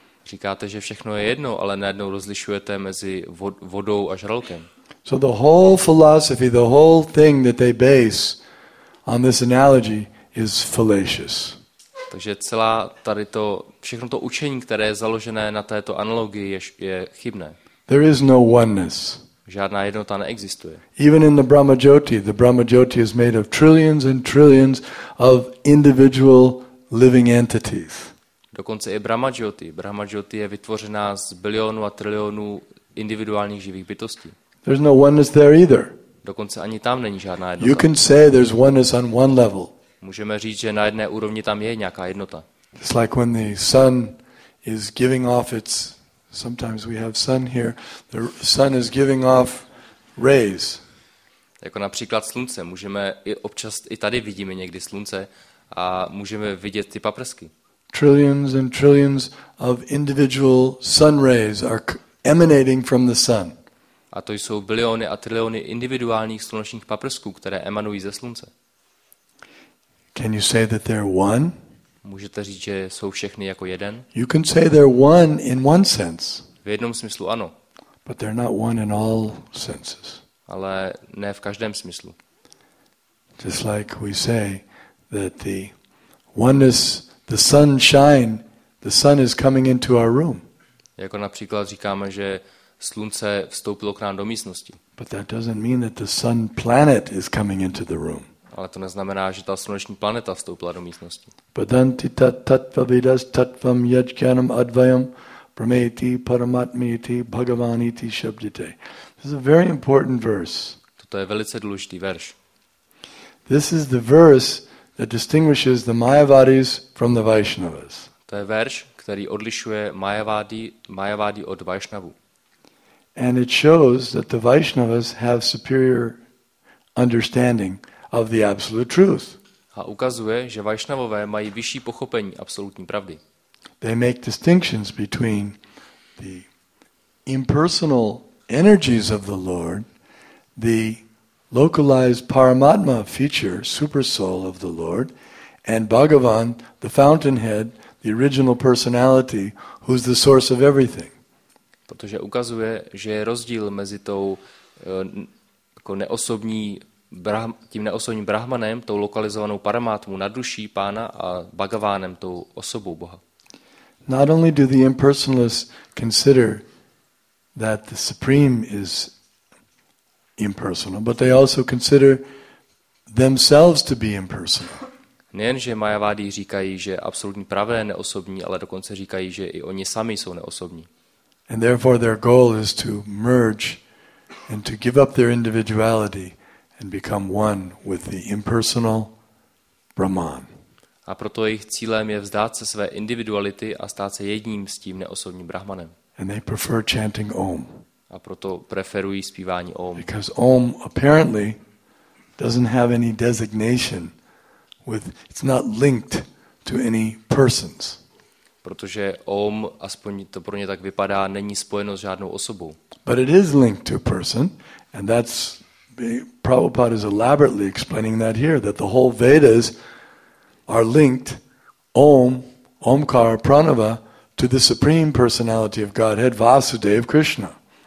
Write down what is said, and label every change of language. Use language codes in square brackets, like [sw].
[cs] Říkáte, že všechno je jedno, ale najednou rozlišujete mezi vodou a žralokem. [en] So the whole philosophy, the whole thing that they base on this analogy is fallacious. [cs] Takže celá tady to všechno to učení, které je založené na této analogii, je chybné. [en] There is no oneness. [cs] Žádná jednota neexistuje. [en] Even in the Brahma Jyoti is made of trillions and trillions of individual living entities. [cs] Dokonce i Brahma Jyoti je vytvořená z bilionů a trilionů individuálních živých bytostí. [en] There's no oneness there either. [cs] Dokonce ani tam není žádná jednota. [en] You can say there's oneness on one level. [cs] Můžeme říct, že na jedné úrovni tam je nějaká jednota. [en] It's like when the sun is giving off its sometimes we have sun here. The sun is giving off rays. [cs] Jako například slunce, můžeme i občas i tady vidíme někdy slunce a můžeme vidět ty paprsky. [en] Trillions and trillions of individual sun rays are emanating from the sun. [cs] A to jsou biliony a triliony individuálních slunečních paprsků, které emanují ze slunce. [en] Can you say that they're one? [cs] Můžete říct, že jsou všechny jako jeden? [en] You can say they're one in one sense. [cs] V jednom smyslu ano. [en] But they're not one in all senses. [cs] Ale ne v každém smyslu. [en] Just like we say that the oneness, the sunshine, the sun is coming into our room. [cs] Jako například říkáme, že slunce vstoupilo k nám do místnosti. [en] But that doesn't mean that the sun planet is coming into the room. [cs] Ale to neznamená, že ta sluneční planeta vstoupila do místnosti. [sa] Vedanti tattva vidas tattvam yajnanam advayam prameti paramatmiti bhagavaniti shabdite. [en] This is a very important verse. [cs] Toto je velice důležitý verš. [en] This is the verse that distinguishes the Mayavadis from the Vaishnavas. [cs] To je verš, který odlišuje Mayavadi od Vaishnavů. [en] And it shows that the Vaishnavas have superior understanding of the absolute truth. [cs] A ukazuje, že Vaishnavové mají vyšší pochopení absolutní pravdy. [en] They make distinctions between the impersonal energies of the Lord, the localized Paramatma feature, super soul of the Lord, and Bhagavan, the fountainhead, the original personality, who's the source of everything. [cs] Protože ukazuje, že je rozdíl mezi tou jako neosobní tím neosobním Brahmanem, tou lokalizovanou Paramatmou na duší pána a Bhagavánem, tou osobou Boha. [en] Not only do the impersonalists consider that the supreme is impersonal, but they also consider themselves to be impersonal. [cs] Nejenže Mayavadi říkají, že absolutní pravé neosobní, ale dokonce říkají, že i oni sami jsou neosobní. [en] And therefore their goal is to merge and to give up their individuality and become one with the impersonal Brahman. [cs] A proto jejich cílem je vzdát se své individuality a stát se jedním s tím neosobním Brahmanem. [en] And they prefer chanting Om. [cs] A proto preferují zpívání Om. [en] Because Om apparently doesn't have any designation with it's not linked to any persons. [cs] Protože Om, aspoň to pro ně tak vypadá, není spojeno s žádnou osobou. [en] But it is linked to a person, and that's Prabhupada is elaborately explaining that here, that the whole Vedas are linked, Om, Omkar, Pranava, to the Supreme Personality of Godhead, Vasudev Krishna.